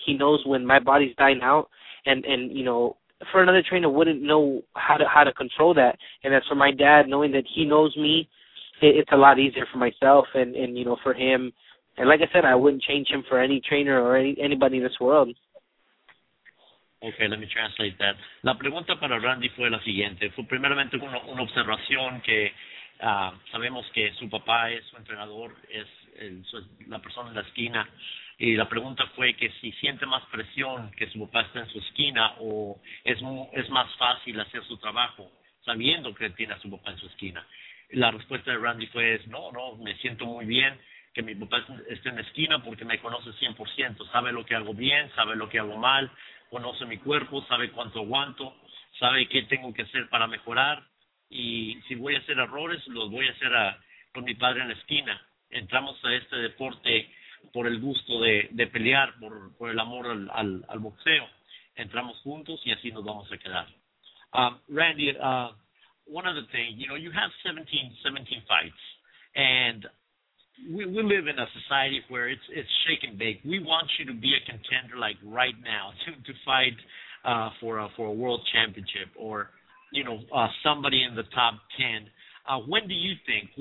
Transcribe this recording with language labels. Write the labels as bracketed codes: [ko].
[en] He knows when my body's dying out, and you know, for another trainer wouldn't know how to control that. And as for my dad, knowing that he knows me, it's a lot easier for myself and you know, for him. And like I said, I wouldn't change him for any trainer or anybody in this world. Okay, let me translate that. [es] La pregunta para Randy fue la siguiente. Fue primeramente una observación que sabemos que su papá es su entrenador, es la persona en la esquina. Y la pregunta fue que si siente más presión que su papá está en su esquina, o es más fácil hacer su trabajo sabiendo que tiene a su papá en su esquina. La respuesta de Randy fue no, me siento muy bien que mi papá esté en la esquina porque me conoce 100%, sabe lo que hago bien, sabe lo que hago mal, conoce mi cuerpo, sabe cuánto aguanto, sabe qué tengo que hacer para mejorar, y si voy a hacer errores, los voy a hacer con mi padre en la esquina. Entramos a este deporte por el gusto de pelear, por el amor al boxeo. Entramos juntos y así nos vamos a quedar. [en] Randy, one other thing, you know, you have 17 fights, and we live in a society where it's shake and bake. We want you to be a contender, like right now, to fight for a world championship, or you know, somebody in the top 10. When do you think?